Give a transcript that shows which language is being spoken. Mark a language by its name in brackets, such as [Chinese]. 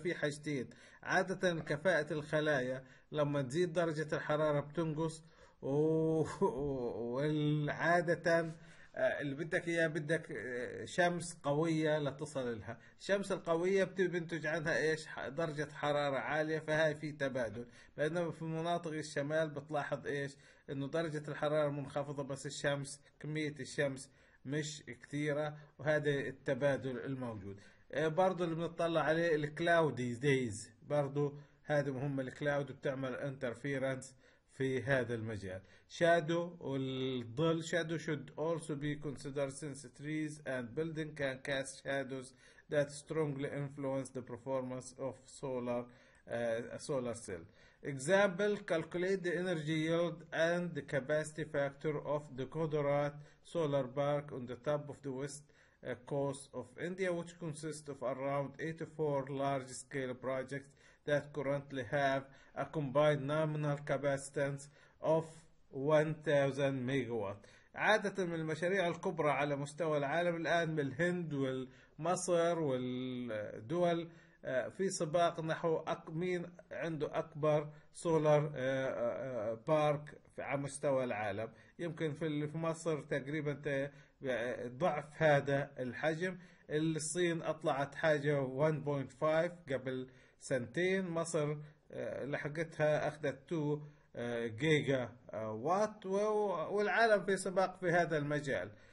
[Arabic] في حاجتين، عادة كفاءة الخلايا لما تزيد درجة الحرارة بتنقص، وعادة اللي بدك اياه بدك شمس قوية لتصل لها، الشمس القوية بتنتج عنها ايش؟ درجة حرارة عالية، فهي في تبادل، بينما في مناطق الشمال بتلاحظ ايش؟ انه درجة الحرارة منخفضة بس الشمس كمية الشمس مش كثيرة، وهذا التبادل الموجود. برضو اللي بنطلع عليه الكلاودي دايز، برضو هذه مهمة، الكلاود بتعمل انترفيرنس في هذا المجال. شادو والظل، شادو [English] should also be considered since trees and building can cast shadows that strongly influence the performance of solar solar cell. Example, calculate the energy yield and the capacity factor of the Gujarat solar park on the top of the west coast of India, which consists of around 84 large scale projects that currently have a combined nominal capacitance of 1000 megawatt. [Arabic] عادة من المشاريع الكبرى على مستوى العالم الآن من الهند والمصر والدول في سباق نحو مين عنده أكبر سولار بارك على مستوى العالم. يمكن في مصر تقريبا ضعف هذا الحجم، الصين أطلعت حاجة 1.5 قبل سنتين، مصر لحقتها أخذت 2 جيجا وات، والعالم في سباق في هذا المجال.